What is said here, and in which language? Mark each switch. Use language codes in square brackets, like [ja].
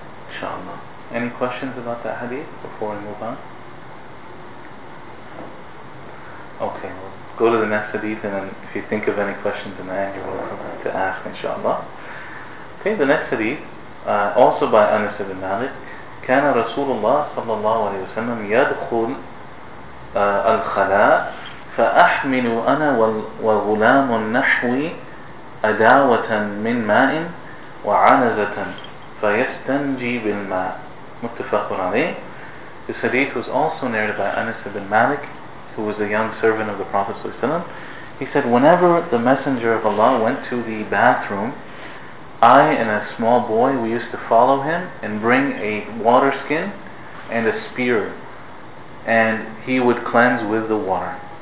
[en] InshaAllah. Any questions about that hadith before we move on? Okay, we'll go to the next hadith, and then if you think of any questions in the end, you're welcome to ask, inshaAllah. Okay, the next hadith, also by Anas ibn Malik. [ar] كان رسول الله صلى الله عليه وسلم يدخل الخلاء فأحمل أنا وغلام نحوي أداوة من ماء وعنزة فيستنجي بالماء. متفق عليه. [en] This hadith was also narrated by Anas ibn Malik, who was a young servant of the Prophet ﷺ. He said, whenever the Messenger of Allah went to the bathroom, I and a small boy, we used to follow him and bring a water skin and a spear, and he would cleanse with the water.